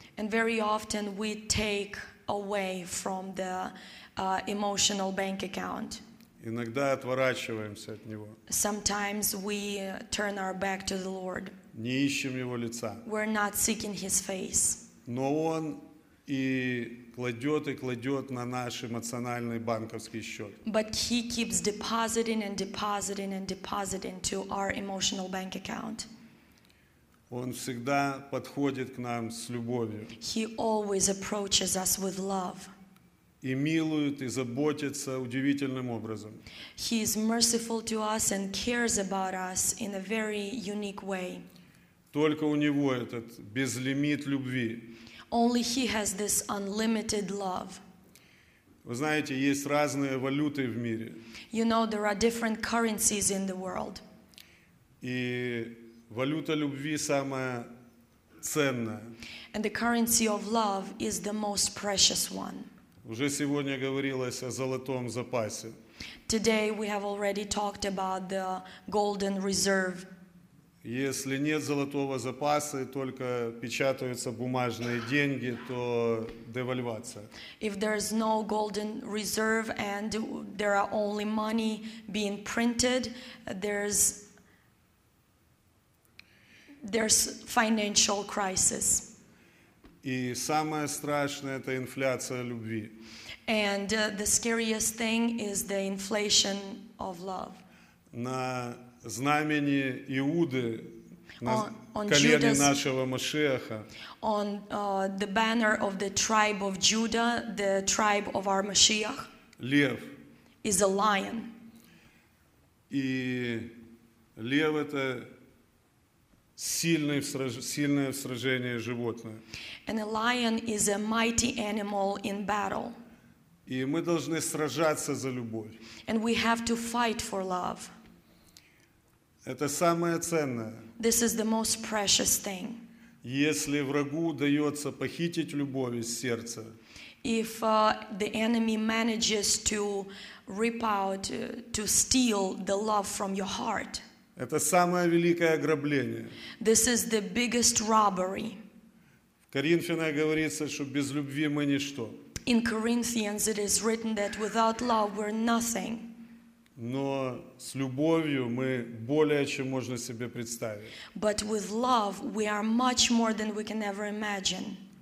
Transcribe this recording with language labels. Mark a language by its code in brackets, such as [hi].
[en] And very often we take away from the emotional bank account. [ru] Иногда отворачиваемся от Него. [en] Sometimes we turn our back to the Lord. [ru] Не ищем Его лица. [en] We're not seeking His face. [ru] Но Он и кладет на наш эмоциональный банковский счет. [en] But He keeps depositing and depositing and depositing to our emotional bank account. [ru] Он всегда подходит к нам с любовью. [en] He always approaches us with love. [ru] И милует, и заботится удивительным образом. [en] He is merciful to us and cares about us in a very unique way. [ru] Только у Него этот безлимит любви. [en] Only He has this unlimited love. [ru] Вы знаете, есть разные валюты в мире. [en] You know, there are different currencies in the world. [ru] И валюта любви самая ценная. [en] And the currency of love is the most precious one. [ru] Уже сегодня говорилось о золотом запасе. [en] Today we have already talked about the golden reserve. [ru] Если нет золотого запаса и только печатаются бумажные деньги, то девальвация. [en] If there is no golden reserve and there are only money being printed, there's financial crisis. [ru] И самое страшное — это инфляция любви. [en] And the scariest thing is the inflation of love. [ru] На знамени Иуды, на колене нашего Машеха. [en] On the banner of the tribe of Judah, the tribe of our Mashiach. [ru] Лев. [en] Is a lion. [ru] И лев это сильное в сражении животное. [en] And a lion is a mighty animal in battle. [ru] И мы должны сражаться за любовь. [en] And we have to fight for love. [ru] Это самое ценное. [en] This is the most precious thing. [ru] Если врагу удается похитить любовь из сердца, [en] if the enemy manages to rip out, to steal the love from your heart, [ru] это самое великое ограбление. [en] This is the biggest robbery. [ru] В Коринфянах говорится, что без любви мы ничто. [en] In Corinthians it is written that without love we're nothing. [ru] Но с любовью мы более, чем можно себе представить. [en] But with love we are much more than we can ever imagine.